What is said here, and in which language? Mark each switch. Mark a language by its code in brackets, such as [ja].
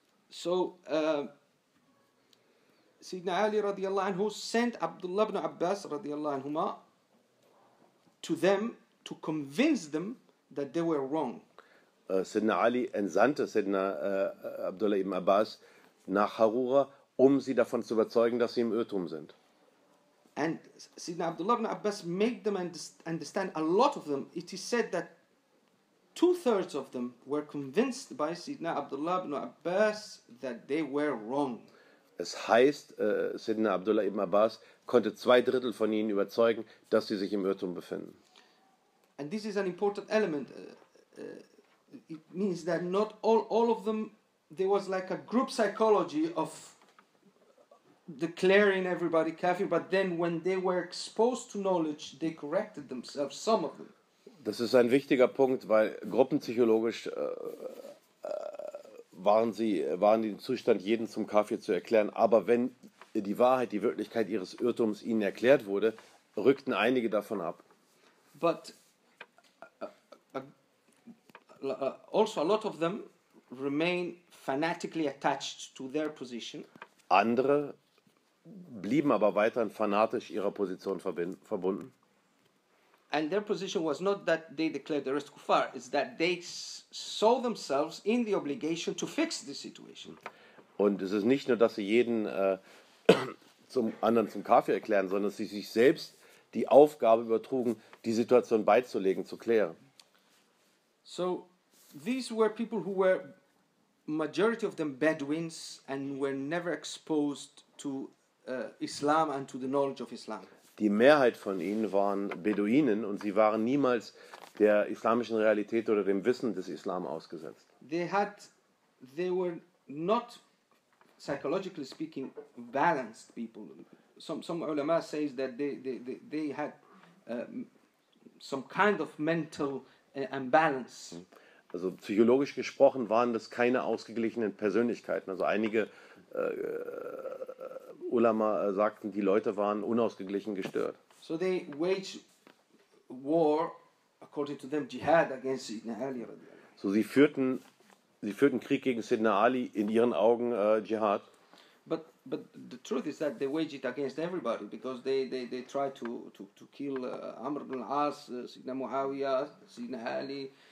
[en] So, Sidna Ali radiallahu anhu sent Abdullah ibn Abbas radiallahu anhuma to them to convince them that they were wrong. [de] Sidna Ali entsandte Sidna Abdullah ibn Abbas nach Harura, um sie davon zu überzeugen, dass sie im Irrtum sind. [en] And Sidna Abdullah ibn Abbas made them understand a lot of them. It is said that 2/3 of them were convinced by Sidna Abdullah ibn Abbas that they were wrong. [de] Es heißt, Sidna Abdullah ibn Abbas konnte 2/3 von ihnen überzeugen, dass sie sich im Irrtum befinden. [en] And this is an important element. It means that not all of them, there was like a group psychology of declaring everybody kafir, but then when they were exposed to knowledge, they corrected themselves, some of them. [de] Das ist ein wichtiger Punkt, weil gruppenpsychologisch waren die im Zustand, jeden zum Kafir zu erklären. Aber wenn die Wahrheit, die Wirklichkeit ihres Irrtums ihnen erklärt wurde, rückten einige davon ab. [en] But also a lot of them remain fanatically attached to their position. [de] Andere blieben aber weiterhin fanatisch ihrer Position verbunden. [en] And their position was not that they declared the rest kuffar, it's that they saw themselves in the obligation to fix the situation. [de] Und es ist nicht nur, dass sie jeden zum anderen zum Kafir erklären, sondern dass sie sich selbst die Aufgabe übertrugen, die Situation beizulegen, zu klären. [en] So these were people who were majority of them Bedouins and were never exposed to Islam and to the knowledge of Islam. [de] Die Mehrheit von ihnen waren Beduinen und sie waren niemals der islamischen Realität oder dem Wissen des Islam ausgesetzt. [en] They were not psychologically speaking balanced people. Some ulama says that they had some kind of mental imbalance. [de] Also psychologisch gesprochen waren das keine ausgeglichenen Persönlichkeiten. Also einige Ulama sagten, die Leute waren unausgeglichen gestört. So they waged war, according to them, jihad against Sidna Ali. So sie führten Krieg gegen Sidna Ali, in ihren Augen Jihad. [en] But the truth is that they waged it against everybody, because they tried to kill Amr ibn al-As, Sidna Muawiyah, Sidna Ali.